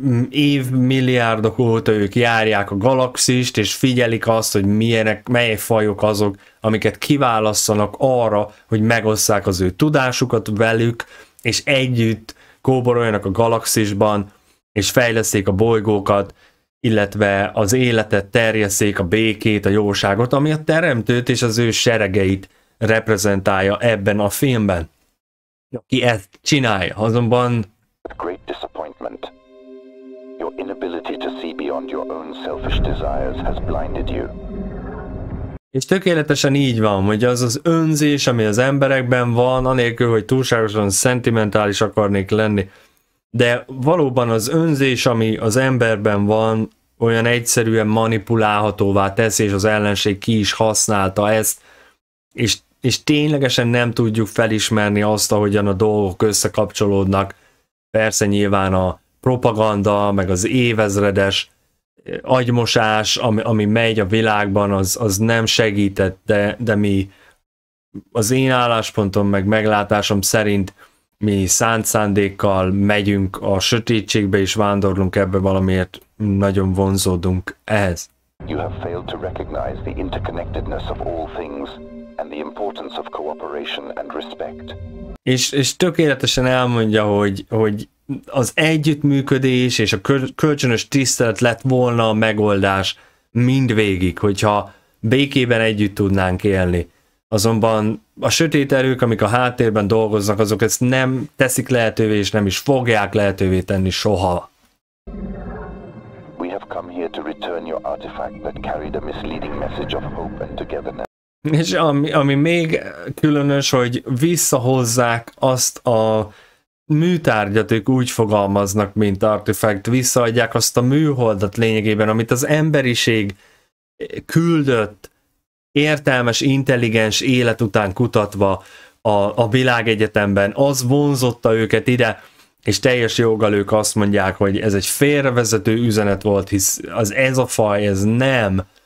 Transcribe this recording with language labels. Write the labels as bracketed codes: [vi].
[hu] évmilliárdok óta ők járják a galaxist, és figyelik azt, hogy milyenek, mely fajok azok, amiket kiválasszanak arra, hogy megosszák az ő tudásukat velük, és együtt kóboroljanak a galaxisban, és fejleszték a bolygókat, illetve az életet terjesszék, a békét, a jóságot, ami a teremtőt és az ő seregeit reprezentálja ebben a filmben. Ki ezt csinálja, azonban... [en] Great disappointment. Your inability to see beyond your own selfish desires has blinded you. [hu] És tökéletesen így van, hogy az az önzés, ami az emberekben van, anélkül, hogy túlságosan szentimentális akarnék lenni, de valóban az önzés, ami az emberben van, olyan egyszerűen manipulálhatóvá teszi, és az ellenség ki is használta ezt, és ténylegesen nem tudjuk felismerni azt, ahogyan a dolgok összekapcsolódnak. Persze nyilván a propaganda, meg az évezredes agymosás, ami megy a világban, az nem segített, de mi az én álláspontom, meg meglátásom szerint mi szánt szándékkal megyünk a sötétségbe, és vándorlunk ebbe valamiért, nagyon vonzódunk ehhez. [en] You have failed to recognize the interconnectedness of all things and the importance of cooperation and respect. [hu] És tökéletesen elmondja, hogy az együttműködés és a kölcsönös tisztelet lett volna a megoldás mindvégig, hogyha békében együtt tudnánk élni. Azonban a sötét erők, amik a háttérben dolgoznak, azok ezt nem teszik lehetővé, és nem is fogják lehetővé tenni soha. [en] We have come here to return your artifact that carried a misleading message of hope and togetherness. [hu] És ami még különös, hogy visszahozzák azt a műtárgyat, ők úgy fogalmaznak, mint artifact, visszaadják azt a műholdat lényegében, amit az emberiség küldött értelmes, intelligens élet után kutatva a világegyetemben, az vonzotta őket ide, és teljes joggal ők azt mondják, hogy ez egy félrevezető üzenet volt, hisz ez a faj, ez nem